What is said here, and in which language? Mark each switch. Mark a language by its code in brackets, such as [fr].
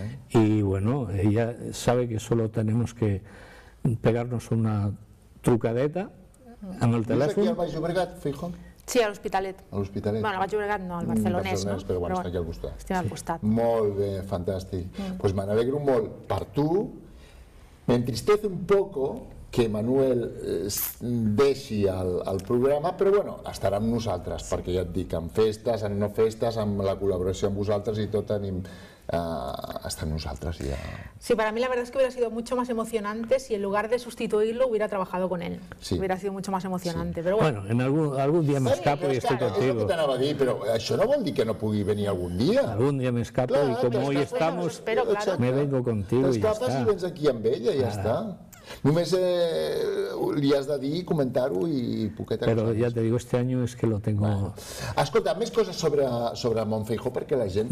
[es] Y bueno, ella sabe que solo tenemos que pegarnos una trucadeta en el teléfono. ¿Estás aquí al Baix Llobregat, Fijo? Sí, al Hospitalet. ¿Al Hospitalet? Bueno, al Baix Llobregat no, al Barcelonès, ¿no? Pero bueno, está aquí [ca] al costat. [es] Estoy [ca] al costat. Molt bé, fantàstic. [es] Pues me alegro [ca] molt per tu. [es] Me entristece un poco que [ca] Manuel deixi el programa, però bueno, estarà amb nosaltres, perquè ja et dic, amb festes, amb no festes, amb la col·laboració amb vosaltres i tot, tenim estar amb nosaltres ja. [es] Sí, para mí la verdad es que hubiera sido mucho más emocionante si en lugar de sustituirlo hubiera trabajado con él. Sí. Hubiera sido mucho más emocionante. Sí. Pero bueno, en algún día me escapo y estoy contigo. Es lo que [ca] t'anava a dir, però això no vol dir que no pugui venir algun dia. Algun dia [es] me escapo i com hoy estamos, me vengo contigo [ca] i ja està. T'escapes i vens aquí amb ella i ja està. Només li has de dir, comentar-ho i poqueta [es] cosa. [ca] Però ja [es] te digo, este año es que lo tengo... [ca] Escolta, més coses sobre Monfijo, perquè la gent...